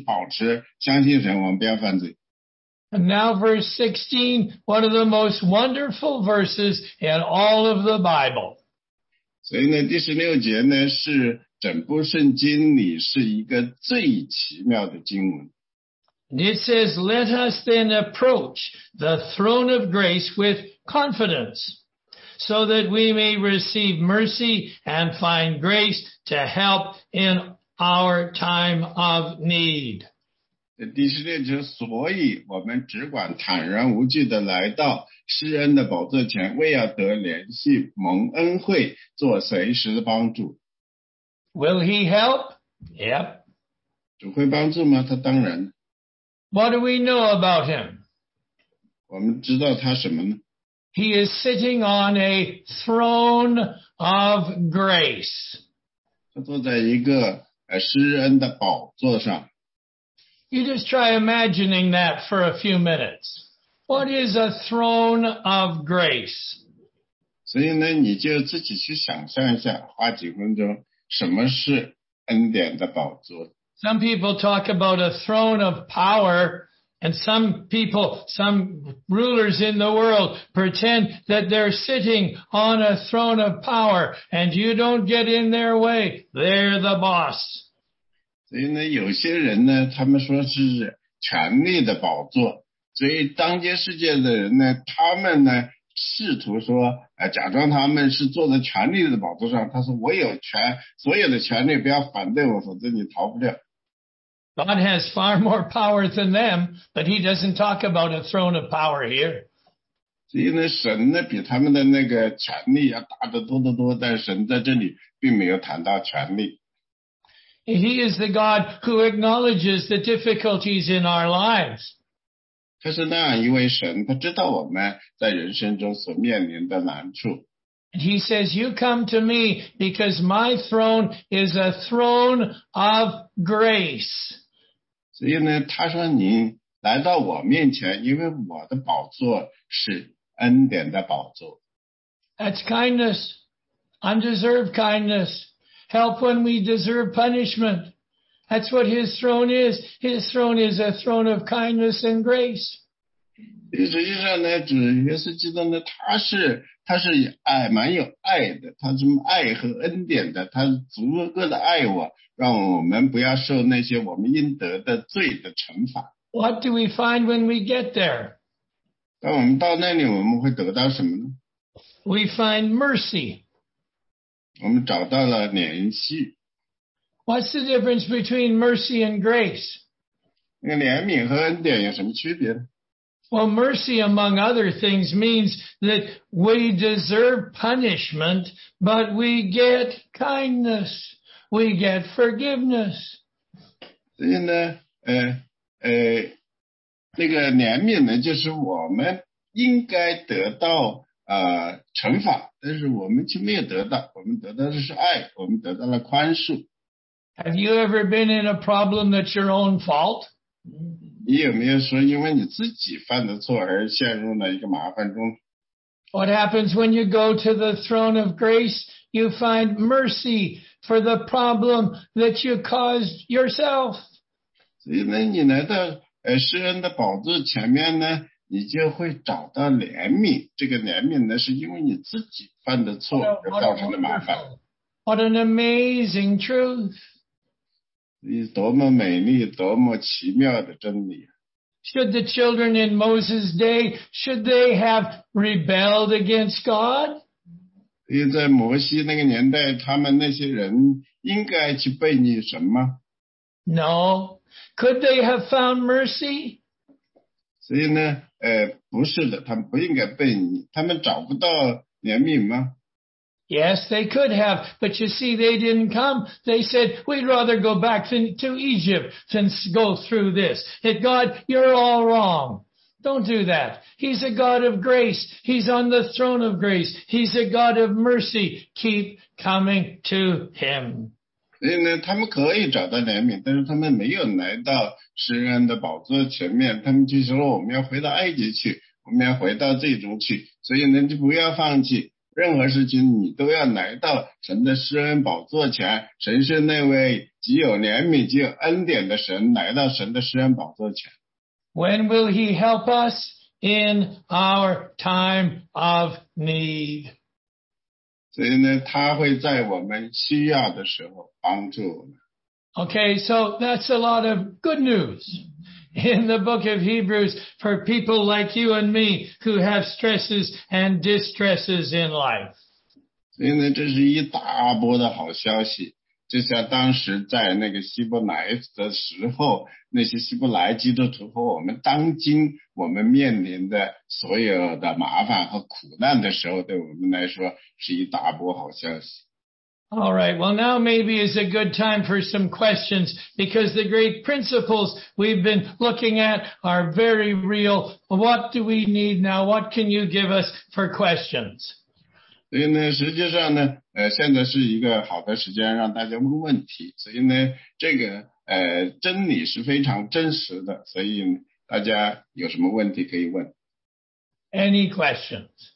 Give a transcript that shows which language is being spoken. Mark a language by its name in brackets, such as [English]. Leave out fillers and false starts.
[Chinese] 所以我一直保持相信主耶稣基督的时候信的说试探的时候他相信神，所以我们受试探的时候呢，我们要一直保持相信神，我们不要犯罪。 [English] And now verse 16, one of the most wonderful verses in all of the Bible. [Chinese] 所以呢第十六节呢是整部圣经里是一个最奇妙的经文。 [English] And it says, let us then approach the throne of grace with confidence, so that we may receive mercy and find grace to help in our time of need. [Chinese] 第十六节，所以我们只管坦然无惧地来到施恩的宝座前，为要得联系蒙恩惠，做随时的帮助。 [English] Will he help? Yep. [Chinese] 主会帮助吗？他当然。 [English] What do we know about him? [Chinese] 我们知道他什么呢？ [English] He is sitting on a throne of grace. [Chinese] 他坐在一个施恩的宝座上。 [English] You just try imagining that for a few minutes. What is a throne of grace? [Chinese] 所以呢，你就自己去想象一下，花几分钟，什么是恩典的宝座。 [English] Some people talk about a throne of power, and some people, some rulers in the world pretend that they're sitting on a throne of power, and you don't get in their way. They're the boss. [Chinese] 所以呢，有些人呢，他们说是权力的宝座，所以当今世界的人呢，他们呢试图说，假装他们是坐在权力的宝座上。他说：“我有权，所有的权力，不要反对我，否则你逃不掉。” [English] God has far more power than them, but He doesn't talk about a throne of power here. [Chinese] 所以呢，神呢比他们的那个权力要大得多得多，但神在这里并没有谈到权力。 [English] He is the God who acknowledges the difficulties in our lives. [Chinese] 他是那样一位神，他知道我们在人生中所面临的难处。 [English] And he says, you come to me because my throne is a throne of grace. [Chinese] 所以呢，他说你来到我面前，因为我的宝座是恩典的宝座。 [English] That's kindness, undeserved kindness. Help when we deserve punishment. That's what his throne is. His throne is a throne of kindness and grace. [Chinese] 实际上呢，主耶稣基督呢，他是爱，蛮有爱的，他是爱和恩典的，他足够的爱我，让我们不要受那些我们应得的罪的惩罚。 [English] What do we find when we get there? [Chinese] 当我们到那里，我们会得到什么呢？ [English] We find mercy. [Chinese] 我们找到了怜惜。 [English] What's the difference between mercy and grace? [Chinese] 那怜悯和恩典有什么区别呢？ [English] Well, mercy, among other things, means that we deserve punishment, but we get kindness, we get forgiveness. [Chinese] 所以呢，那个怜悯呢，就是我们应该得到惩罚，但是我们却没有得到，我们得到的是爱，我们得到了宽恕。 [English] Have you ever been in a problem that's your own fault? [Chinese] 你有没有说因为你自己犯的错而陷入了一个麻烦中？ [English] What happens when you go to the throne of grace? You find mercy for the problem that you caused yourself. [Chinese] 所以呢，你来到施恩的宝座前面呢，你就会找到怜悯，这个怜悯呢，是因为你自己犯的错而造成的麻烦。 [English] What an amazing truth! [Chinese] 你多么美丽，多么奇妙的真理。 [English] Should the children in Moses' day, should they have rebelled against God? [Chinese] 因为在摩西那个年代，他们那些人应该去悖逆神吗？ [English] No. Could they have found mercy? [Chinese] 所以呢，不是的，他们不应该被你，他们找不到怜悯吗？ [English] Yes, they could have, but you see, they didn't come. They said, we'd rather go back to Egypt than go through this. Hey, God, you're all wrong. Don't do that. He's a God of grace. He's on the throne of grace. He's a God of mercy. Keep coming to him. [Chinese] 所以呢，他们可以找到怜悯，但是他们没有来到施恩的宝座前面，他们就说我们要回到埃及去，我们要回到最终去，所以呢，就不要放弃任何事情，你都要来到神的施恩宝座前。神是那位极有怜悯极有恩典的神，来到神的施恩宝座前。 [English] When will he help us in our time of need? [Chinese] 所以呢，他会在我们需要的时候帮助我们。 [English] Okay, so that's a lot of good news in the book of Hebrews for people like you and me who have stresses and distresses in life. [Chinese] 所以呢，这是一大波的好消息，就像当时在那个希伯来的时候，那些希伯来基督徒和我们当今我们面临的所有的麻烦和苦难的时候，对我们来说是一大波好消息。 [English] All right, well now maybe is a good time for some questions because the great principles we've been looking at are very real. What do we need now? What can you give us for questions? [Chinese] 所以呢，实际上呢，现在是一个好的时间让大家问问题。所以呢，这个真理是非常真实的，所以大家有什么问题可以问。 [English] Any questions?